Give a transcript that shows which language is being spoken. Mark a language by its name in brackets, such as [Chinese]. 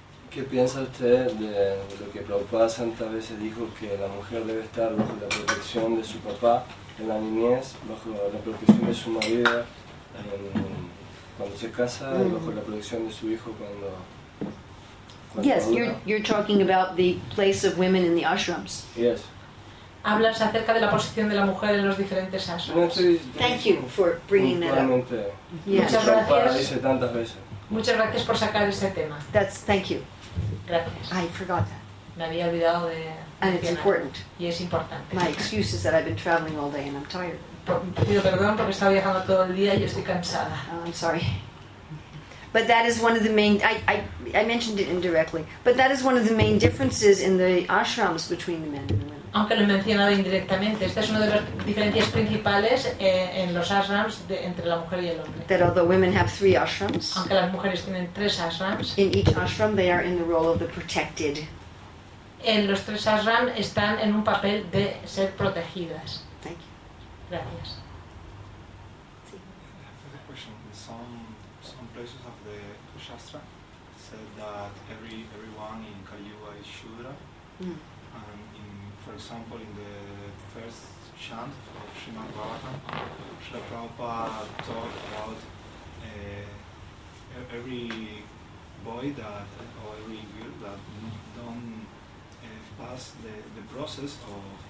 [Spanish] ¿Qué piensa usted de lo que Prabhupada Santa a veces dijo, que la mujer debe estar bajo la protección de su papá en la niñez, bajo la protección de su marido cuando se casa, y bajo la protección de su hijo cuando [English] Yes, you're talking about the place of women in the ashrams. Yes. [Spanish] Hablas acerca de la posición de la mujer en los diferentes ashrams. No, estoy [English] Thank you for bringing that up. Yes. [Spanish] Muchas gracias. Dice tantas veces. Muchas gracias por sacar ese tema. [English] That's thank you. [Spanish] Gracias. [English] I forgot that. [Spanish] Me había olvidado de. [English] And it's important. [Spanish] Y es importante. [English] My excuse is that I've been traveling all day and I'm tired. [Spanish] Pido perdón porque estaba viajando todo el día y estoy cansada. [English] Oh, I'm sorry. But that is one of the main. I mentioned it indirectly, but that is one of the main differences in the ashrams between the men and the women. [Spanish] Aunque lo he mencionado indirectamente, esta es una de las diferencias principales en los ashrams entre la mujer y el hombre. [English] That although women have three ashrams, [Spanish] aunque las mujeres tienen tres ashrams, [English] in each ashram they are in the role of the protected. [Spanish] En los tres ashrams están en un papel de ser protegidas. [English] Thank you. [Spanish] Gracias. [English] Sí. I have a question. the Shastra said that everyone in Kali Yuga is Shudra. Mm. And in, for example, in the first chant of Srimad Bhagavatam, Srila Prabhupada talked about every boy that, or every girl that don't pass the process of